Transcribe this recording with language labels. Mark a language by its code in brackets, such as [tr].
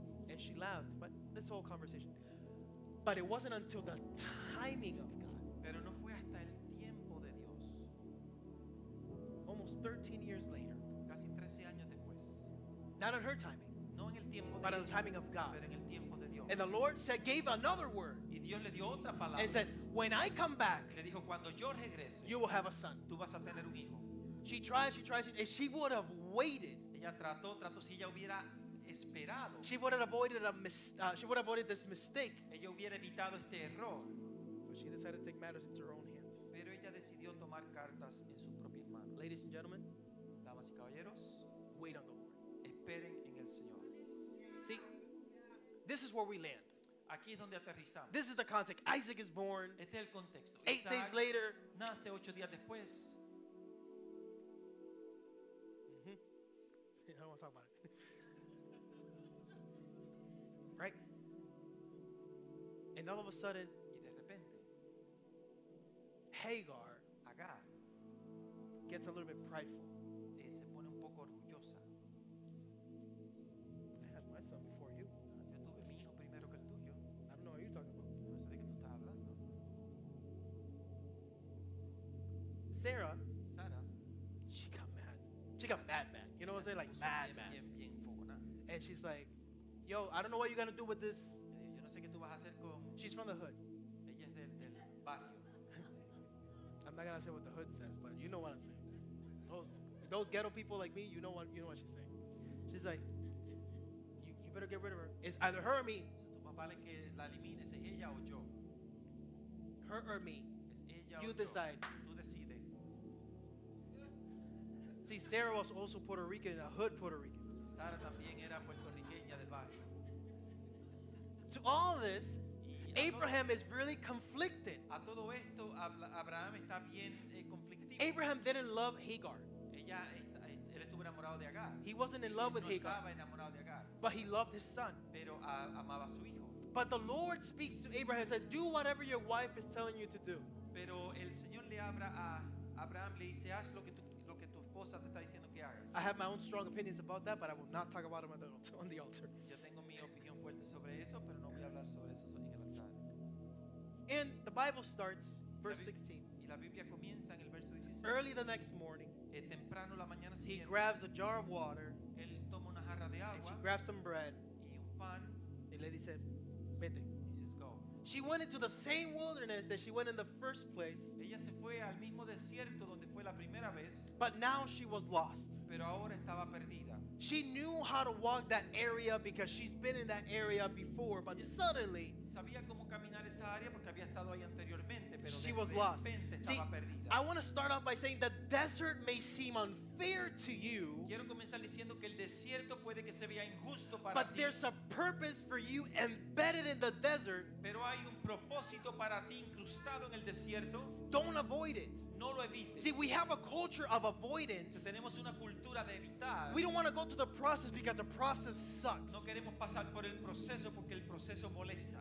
[en] And she laughed, but this whole conversation. But it wasn't until the timing of God. [es] Pero no fue hasta el tiempo de Dios. [en] Almost 13 years later. [es] Casi 13 años después. [en] Not on her timing. [es] No en el tiempo de [en] but in the timing of God. [es] Pero en el tiempo de Dios. [en] And the Lord said, gave another word. [es] Y Dios le dio otra palabra. [en] And said, when I come back, [es] le dijo, cuando yo regrese, [en] you will have a son. [es] Tú vas a tener un hijo. [en] She tried, and she would have waited. [es] Ella trató, si ella hubiera esperado. [en] She would have avoided this mistake. [es] Ella hubiera evitado este error. [en] But she decided to take matters into her own hands. [es] Pero ella decidió tomar cartas en sus propias manos. [en] Ladies and gentlemen, [es] damas y caballeros, [en] wait on the Lord. [es] Esperen en el Señor. [en] See, this is where we land. [es] Aquí es donde aterrizamos. [en] This is the context. Isaac is born. [es] Este es el contexto. [en] Isaac 8 days later. [es] Nace 8 días después. [en] Mm-hmm. I don't want to talk about it. Right? And all of a sudden, [es] y de repente, [en] Hagar, [es] Agar, [en] gets a little bit prideful. [es] Se pone un poco orgullosa. [en] Before you. [es] Yo tuve mi hijo primero que el tuyo. [en] I don't know what you're talking about. [es] No sé de qué tú estás hablando. [en] Sarah, she got mad. She got mad, man. You know what I'm saying? Like, mad, man. [es] Bien. [en] And she's like, yo, I don't know what you're going to do with this. [es] Yo no sé qué tú vas a hacer con... [en] She's from the hood. [es] Ella es del barrio. [en] I'm not going to say what the hood says, but you know what I'm saying. Those ghetto people like me, you know what she's saying. She's like, better get rid of her. It's either her or me. [es] Si tu papá le que la elimine, es ella o yo. [en] Her or me. [es] Es ella [en] you [es] o [en] decide. [es] Yo. Tú decide. [en] See, Sarah was also Puerto Rican, a hood Puerto Rican. [es] Sara también era puertorriqueña del barrio. [en] To all this, Abraham is really conflicted. [es] A todo esto, Abraham está bien conflictivo. [en] Abraham didn't love Hagar. [es] Él estuvo enamorado de Agar. [en] He wasn't in love with Hagar. [es] No estaba enamorado de Agar. [en] But he loved his son. [es] Pero amaba a su hijo. [en] But the Lord speaks to Abraham and says, do whatever your wife is telling you to do. [es] Pero el Señor le habla a Abraham, le dice, haz lo que tu esposa te está diciendo que hagas. [en] I have my own strong opinions about that, but I will not talk about them on the altar. [es] Yo tengo mi opinión fuerte sobre eso, pero no voy a hablar sobre eso en el altar. [en] And the Bible starts verse 16. [es] Y la Biblia comienza en el verso 16. [en] Early the next morning, [es] temprano la mañana siguiente, [en] he grabs a jar of water. [es] Él toma una jarra de agua, [en] and she grabs some bread. [es] Y un pan, y le dice, vete. [en] He says, go. She went into the same wilderness that she went in the first place. [es] Ella se fue al mismo desierto donde fue la primera vez. [en] But now she was lost. [es] Pero ahora estaba perdida. [en] She knew how to walk that area because she's been in that area before. But yeah. Suddenly, [es] sabía cómo caminar esa área porque había estado ahí anteriormente. Pero [en] she was lost. [es] Estaba perdida. [en] I want to start off by saying the desert may seem unfair to you. [es] Quiero comenzar diciendo que el desierto puede que se vea injusto para [en] but But there's a purpose for you embedded in the desert. [es] Pero hay un propósito para ti incrustado en el desierto. [en] Don't avoid it. [es] No lo evites. [en] See, we have a culture of avoidance. [es] Tenemos una cultura de evitar. [en] We don't want to go to the process because the process sucks. [es] No queremos pasar por el proceso porque el proceso molesta.